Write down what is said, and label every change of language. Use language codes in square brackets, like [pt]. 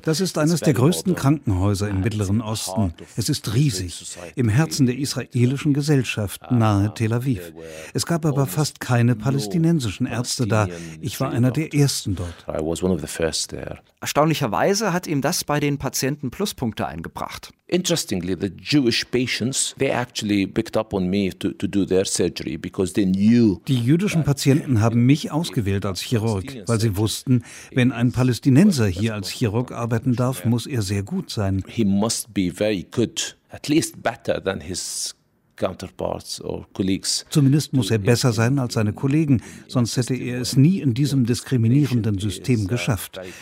[de] Das ist eines der größten Krankenhäuser im Mittleren Osten. Es ist riesig, im Herzen der israelischen Gesellschaft nahe Tel Aviv. Es gab aber fast keine palästinensischen Ärzte da. Ich war einer der ersten dort. [en] I was one of the first there. [de] Erstaunlicherweise hat ihm das bei den Patienten Pluspunkte eingebracht. [en] Interestingly, the Jewish patients, they actually picked up on me to do their surgery because they knew. [de] Die jüdischen Patienten haben mich ausgewählt als Chirurg, weil sie wussten, wenn ein Palästinenser hier als Chirurg arbeiten darf, muss er sehr gut sein. [en] He must be very good, at least better than his counterparts or colleagues. [de] Zumindest muss er besser sein als seine Kollegen, sonst hätte er es nie in diesem diskriminierenden System geschafft.